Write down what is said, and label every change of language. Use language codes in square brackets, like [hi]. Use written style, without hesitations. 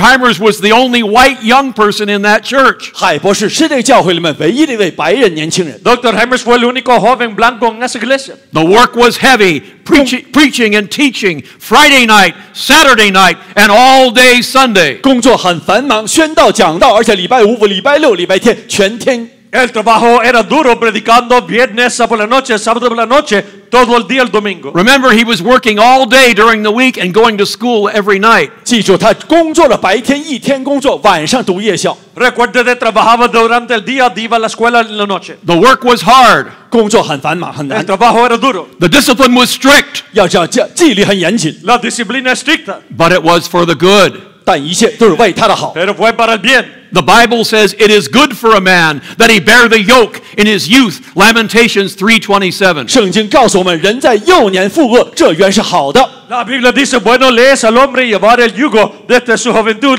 [en] Hymers was the only white young person in that church. [zh] 海博士是那个教会里面唯一的一位白人年轻人. [en] Dr. [es] Hymers fue el único joven blanco en esa iglesia. [en] The work was heavy, preaching and teaching Friday night, Saturday night, and all day Sunday. [zh] 工作很繁忙，宣道讲道，而且礼拜五、礼拜六、礼拜天全天。 [es] El trabajo era duro predicando viernes por la noche, sábado por la noche, todo el día el domingo. [en] Remember, he was working all day during the week and going to school every night. [zh] 记住，他工作了白天，一天工作，晚上读夜校。 [es] Recuerde que trabajaba durante el día, iba a la escuela en la noche. [en] The work was hard. [zh] 工作很繁忙，很难。 [es] El trabajo era duro. [en] The discipline was strict. [zh] 要纪律很严谨。 [es] La disciplina estricta. [en] But it was for the good. [zh] 但一切都是为他的好。 [es] Pero fue para el bien. [en] The Bible says it is good for a man that he bear the yoke in his youth. Lamentations 3:27. [zh] 圣经告诉我们，人在幼年负轭，这原是好的。 [es] La Biblia dice, bueno le es al hombre llevar el yugo desde su juventud.